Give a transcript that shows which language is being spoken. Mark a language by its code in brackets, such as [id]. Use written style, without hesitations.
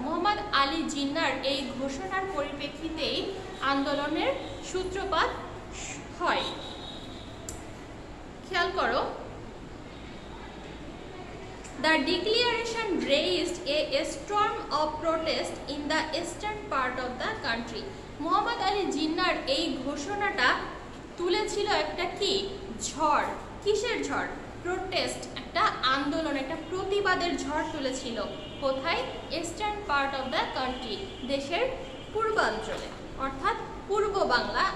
[bn] মোহাম্মদ আলী জিন্নার এই ঘোষণার পরিপ্রেক্ষিতেই আন্দোলনের সূত্রপাত হয়। খেয়াল করো, [en] The declaration raised a storm of protest in the eastern part of the country. [bn] Muhammad Ali Jinnah এই ঘোষণাটা তুলেছিল একটা কি ঝড়, কিসের ঝড়? Protest, একটা আন্দোলন, একটা প্রতিবাদের ঝড় তুলেছিল কোথায়? [en] Eastern part of the country, [bn] দেশের পূর্বাঞ্চলে, অর্থাৎ পূর্ব বাংলা।